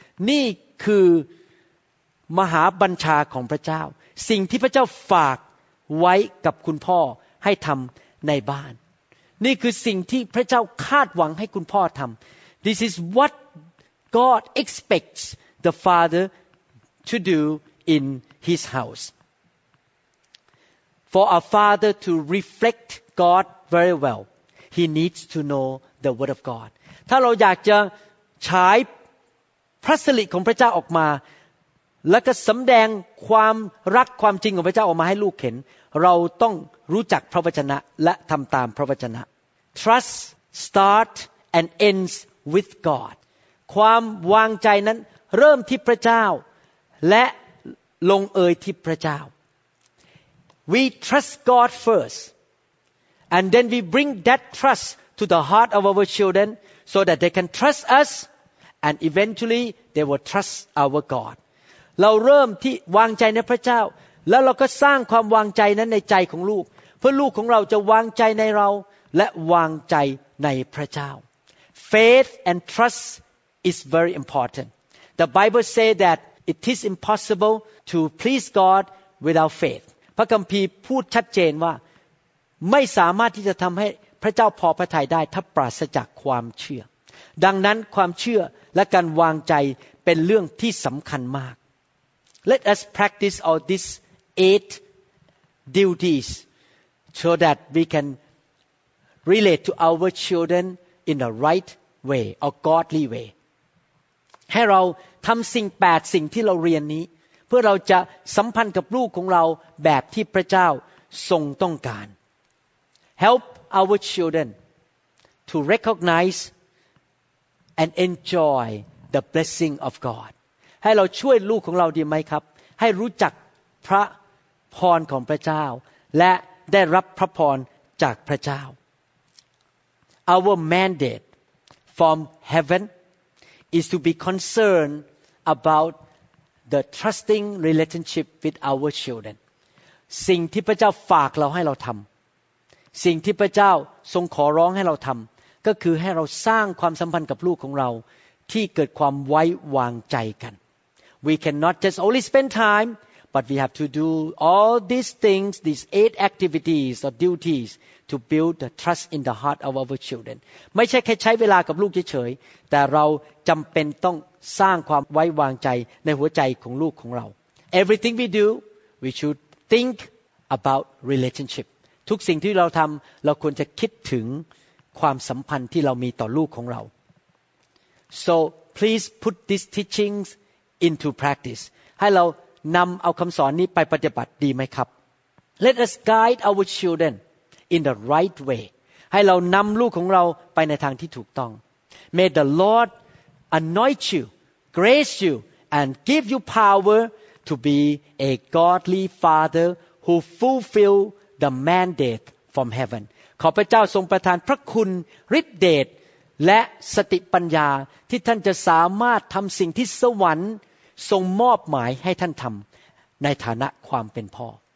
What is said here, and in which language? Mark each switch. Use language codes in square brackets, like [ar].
[th] นี่คือมหาบัญชาของพระเจ้าสิ่งที่พระเจ้าฝากไว้กับคุณพ่อให้ทำในบ้านนี่คือสิ่งที่พระเจ้าคาดหวังให้คุณพ่อทำ [en] This is what God expects the father to do in his house. For a father to reflect God very well, he needs to know the word of God. [th] ถ้าเราอยากจะฉาย พระสิริของพระเจ้าออกมาและก็สำแดงความรักความจริงของพระเจ้าออกมาให้ลูกเห็นเราต้องรู้จักพระวจนะและทำตามพระวจนะ [en] Trust start and ends with God [th] ความวางใจนั้นเริ่มที่พระเจ้า [en] และลงเอยที่พระเจ้า We trust God first and then we bring that trust to the heart of our children so that they can trust us and eventually they will trust our God [th] เราเริ่มที่วางใจในพระเจ้าแล้วเราก็สร้างความวางใจนั้นในใจของลูกเพื่อลูกของเราจะวางใจในเราและวางใจในพระเจ้า [en] Faith and trust is very important. The Bible says that it is impossible to please God without faith. [th] พระคัมภีร์พูดชัดเจนว่าไม่สามารถที่จะทำให้พระเจ้าพอพระทัยได้ถ้าปราศจากความเชื่อดังนั้นความเชื่อและการวางใจเป็นเรื่องที่สำคัญมาก [en] Let us practice all these 8 duties so that we can relate to our children in the right way or godly way [th] ให้เราทำสิ่ง8สิ่งที่เราเรียนนี้เพื่อเราจะสัมพันธ์กับลูกของเราแบบที่พระเจ้าทรงต้องการ [en] Help our children to recognize and enjoy the blessing of God. [th] ให้เราช่วยลูกของเราดีไหมครับให้รู้จักพระพรของพระเจ้าและได้รับพระพรจากพระเจ้า [en] Our mandate from heaven is to be concerned about the trusting relationship with our children. [th] สิ่งที่พระเจ้าฝากเราให้เราทำสิ่งที่พระเจ้าทรงขอร้องให้เราทำก็คือให้เราสร้างความสัมพันธ์กับลูกของเราที่เกิดความไว้วางใจกัน [en] We cannot just only spend time but we have to do all these things these 8 activities or duties to build the trust in the heart of our children [th] ไม่ใช่แค่ใช้เวลากับลูกเฉยๆแต่เราจำเป็นต้องสร้างความไว้วางใจในหัวใจของลูกของเรา [en] Everything we do we should think about relationship [th] ทุกสิ่งที่เราทำเราควรจะคิดถึงความสัมพันธ์ที่เรามีต่อลูกของเรา [en] So please put these teachings into practice [th] ให้เรานำเอาคำสอนนี้ไปปฏิบัติดีไหมครับ [en] Let us guide our children in the right way [th] ให้เรานำลูกของเราไปในทางที่ถูกต้อง [en] May the Lord anoint you, grace you, and give you power to be a godly father who fulfillThe mandate from heaven. [th] ขอพระเจ้าทรงประทานพระคุณฤทธิ์เดชและสติปัญญาที่ท่านจะสามารถทำสิ่งที่สวรรค์ทรงมอบหมายให้ท่านทำในฐานะความเป็นพ่อ